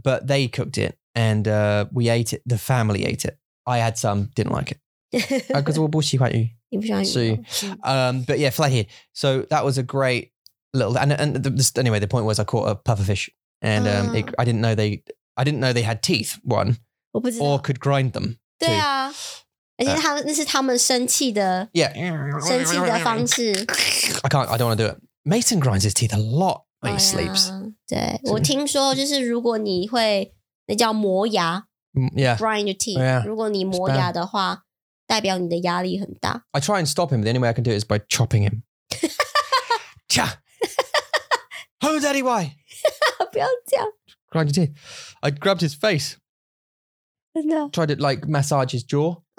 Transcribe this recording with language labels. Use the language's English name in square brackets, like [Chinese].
[English] But they cooked it and we ate it. The family ate it. I had some, didn't like it. Because [Chinese] 我不喜欢鱼。 [English] So, but yeah, flathead. So that was a great little, anyway, the point was I caught a puffer fish and I didn't know they had teeth, one, or could grind them. [Chinese] 对啊，而且他们那是他们生气的，生气的方式。 [English] I can't, I don't want to do it. Mason grinds his teeth a lot when he sleeps. [Chinese] 对，我听说就是如果你会，那叫磨牙。 [English] Yeah. Grind your teeth. Yeah. [Chinese] 如果你磨牙的话。代表你的压力很大. [English] I try and stop him. The only way I can do it is by chopping him. Cha! Who, daddy, why? [Chinese] 不要这样. [English] Grind your teeth. I grabbed his face. No. Tried to like massage his jaw.